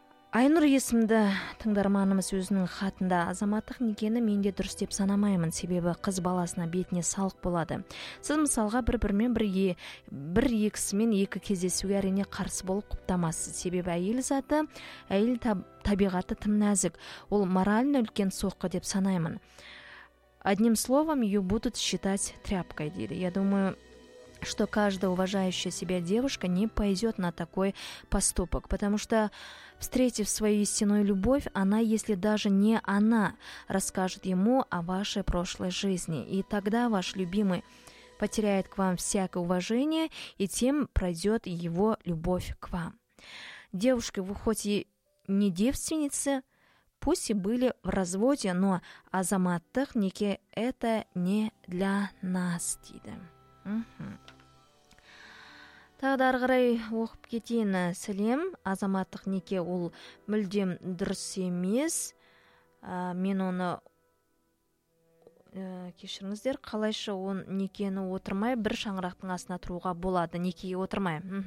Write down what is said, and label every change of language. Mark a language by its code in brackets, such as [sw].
[kk] Айнұр есімді тыңдарманымыз өзінің хатында азаматтық некені мен де дұрыс деп санамаймын, себебі қыз баласына бетіне салық болады. Сіз мысалға бір-бірімен бір-екісімен екі кездесуге әрине қарсы болып құптамасыз, себебі әйел заты, әйел табиғаты тым нәзік. Ол моральный үлкен соққы деп санаймын. [ru] Одним словом, ее будут считать тряпкой, дейді. Я думаю, что каждая уважающая себя девушка не пойдет на такой поступок, потому что, встретив свою истинную любовь, она, если даже не она, расскажет ему о вашей прошлой жизни. И тогда ваш любимый потеряет к вам всякое уважение, и тем пройдет его любовь к вам. Девушки, вы хоть и не девственницы, пусть и были в разводе, но азаматтық неке – это не для нас, дейді. [kk] Тағы ары қарай оқып кетейін. Сәлем, азаматтық неке ол мүлдем дұрыс емес. Мен оны кешіріңіздер, қалайша он некені отырмай, бір шаңырақтың астына тұруға болады, некеге отырмай.